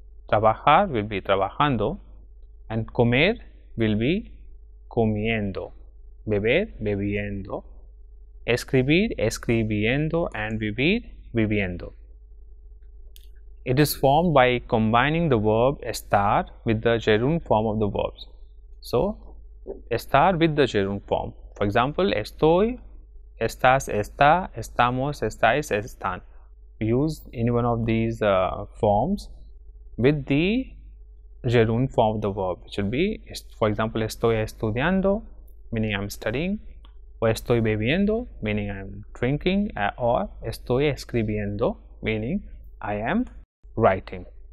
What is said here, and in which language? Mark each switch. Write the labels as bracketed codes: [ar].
[en] Trabajar will be trabajando and comer will be comiendo. [es] Beber, bebiendo. Escribir, escribiendo and vivir, viviendo. [en] It is formed by combining the verb estar with the gerund form of the verbs. So, estar with the gerund form. For example, [es] estoy, estás, está, estamos, estáis, están. [en] Use any one of these forms with the gerund form of the verb. It should be, for example, [es] estoy estudiando, [en] meaning I'm studying. O [es] estoy bebiendo, [en] meaning I am drinking, or [es] estoy escribiendo, [en] meaning I am writing.